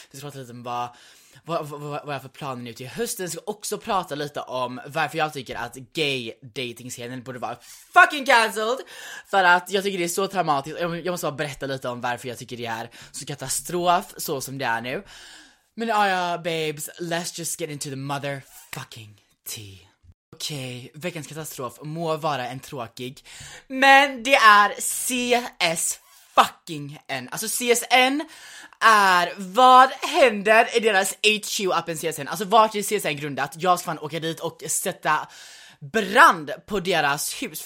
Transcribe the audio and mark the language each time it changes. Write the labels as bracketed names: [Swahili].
[Swedish] Vi ska prata lite om vad jag för planer nu till hösten. Vi ska också prata lite om varför jag tycker att gay dating scenen borde vara fucking cancelled. För att jag tycker det är så traumatiskt. Jag måste bara berätta lite om varför jag tycker det är så katastrof så som det är nu. [English] Men ja, babes, let's just get into the motherfucking tea. [Swedish] Okej, veckans katastrof må vara en tråkig, men det är CS fucking N. Alltså CSN är, vad händer i deras HQ-appen CSN? Alltså vart är CSN grundat? Jag ska fan åka dit och sätta brand på deras hus.